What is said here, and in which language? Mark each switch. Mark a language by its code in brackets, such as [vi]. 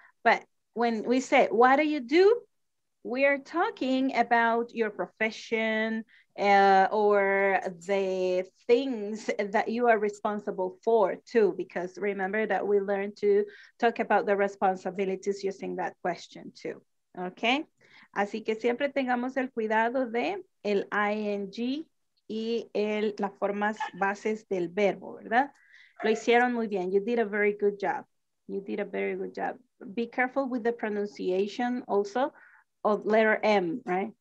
[en] But when we say, what do you do? We are talking about your profession or the things that you are responsible for too, because remember that we learned to talk about the responsibilities using that question too, okay? [es] Así que siempre tengamos el cuidado de el ing y el, las formas bases del verbo, ¿verdad? Lo hicieron muy bien. [en] You did a very good job. You did a very good job. Be careful with the pronunciation also of letter M, right?